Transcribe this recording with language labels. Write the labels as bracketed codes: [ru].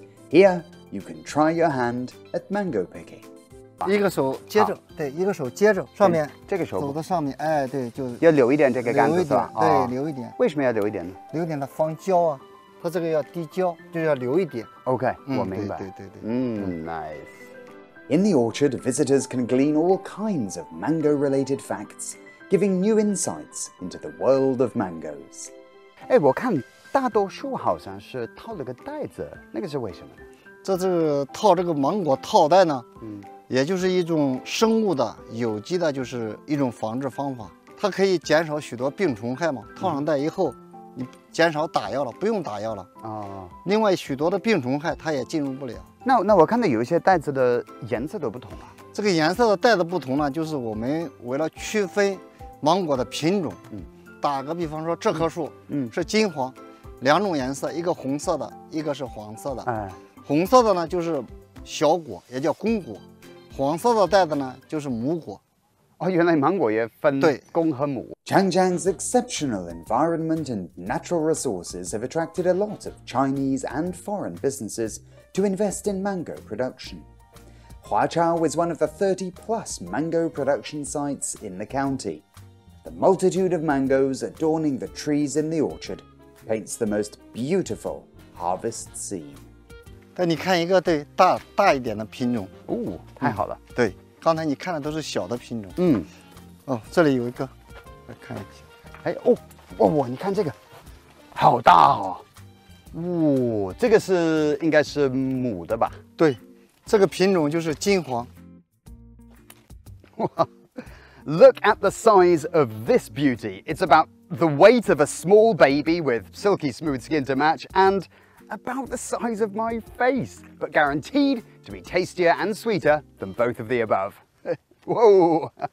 [en] Here, you can try your hand at mango picking. [zh] 一个手接着，对，一个手接着上面，这个手走到上面，哎，对，就要留一点这个杆子是吧？对，留一点。为什么要留一点呢？留一点它防焦啊，它这个要滴焦，就要留一点。 OK, 我明白。对对对。 [en] Nice. In the orchard, visitors can glean all kinds of mango-related facts, giving new insights into the world of mangoes. [zh] 哎，我看。大多数好像是套了个袋子，那个是为什么呢？这是套这个芒果套袋呢，也就是一种生物的有机的，就是一种防治方法，它可以减少许多病虫害嘛。套上袋以后，你减少打药了，不用打药了啊。另外，许多的病虫害它也进入不了。那我看到有一些袋子的颜色都不同了。这个颜色的袋子不同呢，就是我们为了区分芒果的品种。打个比方说，这棵树，是金黄。两种颜色，一个红色的，一个是黄色的。红色的呢就是小果，也叫公果；黄色的袋子呢就是母果。哦，原来芒果也分公和母。 [en] Changjiang's exceptional environment and natural resources have attracted a lot of Chinese and foreign businesses to invest in mango production. Huachao is one of the 30-plus mango production sites in the county. The multitude of mangoes adorning the trees in the orchard paints the most beautiful harvest scene. [zh] 但你看一个对大一点的品种，哦，太好了，对。刚才你看的都是小的品种，哦，这里有一个，来看一下，哎，哦，你看这个，好大哦，这个是应该是母的吧？对，这个品种就是金黄。 [en] 哇 ，Look at the size of this beauty. It's about the weight of a small baby with silky smooth skin to match, and about the size of my face, but guaranteed. To be tastier and sweeter than both of the above. Whoa!